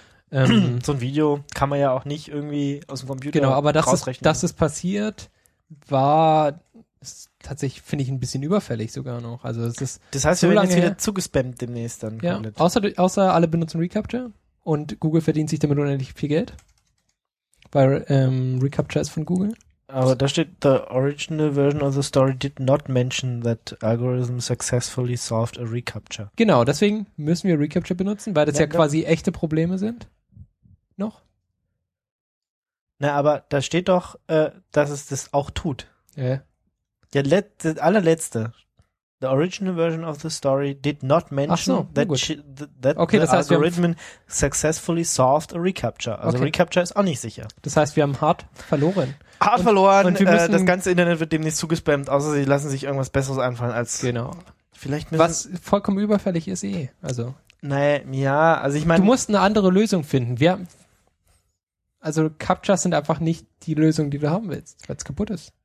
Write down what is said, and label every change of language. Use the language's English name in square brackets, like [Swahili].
[German] So ein Video kann man ja auch nicht irgendwie aus dem Computer genau, aber dass es passiert, ist tatsächlich, finde ich, ein bisschen überfällig sogar noch. Also es ist das heißt, so wir werden jetzt wieder zugespammt demnächst dann. Ja, außer alle benutzen Recapture und Google verdient sich damit unendlich viel Geld. Weil Recapture ist von Google. Aber da steht, [English] the original version of the story did not mention that algorithm successfully solved a recapture. [German] Genau, deswegen müssen wir Recapture benutzen, weil das quasi echte Probleme sind. Noch? Na, aber da steht doch, dass es das auch tut. [English] Yeah. [German] Ja. Das allerletzte. [English] The original version of the story did not mention algorithm successfully solved a recapture. [German] Also okay. Recapture ist auch nicht sicher. Das heißt, wir haben hart verloren. Und wir müssen, das ganze Internet wird demnächst zugespammt, außer sie lassen sich irgendwas Besseres einfallen als. Genau. Vielleicht was vollkommen überfällig ist eh. Also. Naja, ja, also ich meine. Du musst eine andere Lösung finden. Captchas sind einfach nicht die Lösung, die du haben willst, weil es kaputt ist.